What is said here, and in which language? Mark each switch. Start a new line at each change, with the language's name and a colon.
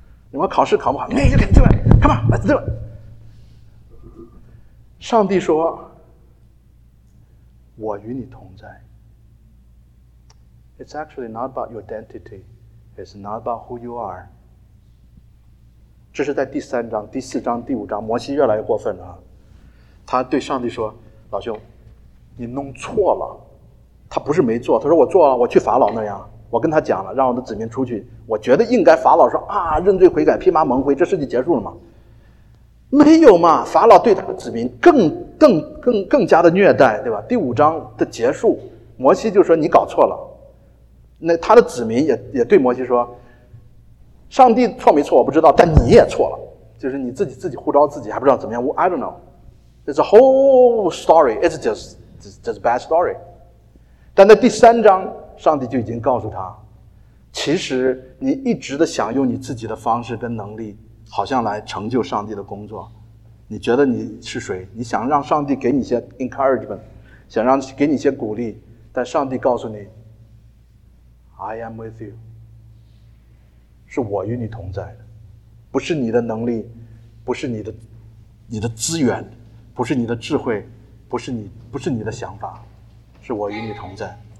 Chinese: 你们考试考不好，
English: you can do it。 Come on, let's do it。
Chinese: 上帝说我与你同在。
English: It's actually not about your identity. It's not about who you are.
Chinese: 这是在第三章、第四章、第五章，摩西越来越过分了。他对上帝说：“老兄，你弄错了。” 他不是没做，他说：“我做了，我去法老那样，我跟他讲了，让我的子民出去。我觉得应该法老说啊，认罪悔改，披麻蒙灰，这事就结束了嘛。” 没有嘛，法老对他的子民更加的虐待，对吧？第五章的结束，摩西就说你搞错了。那他的子民也对摩西说，上帝错没错我不知道，但你也错了，就是你自己呼召自己还不知道怎么样。
English: I don't know, it's a whole story, it's just a bad story。
Chinese: 但在第三章上帝就已经告诉他，其实你一直的想用你自己的方式跟能力好像来成就上帝的工作，你觉得你是谁？你想让上帝给你一些 encouragement, 想让给你一些鼓励，但上帝告诉你
English: I am with you,
Chinese: 是我与你同在的，不是你的能力，不是你的资源，不是你的智慧，不是你的想法，是我与你同在。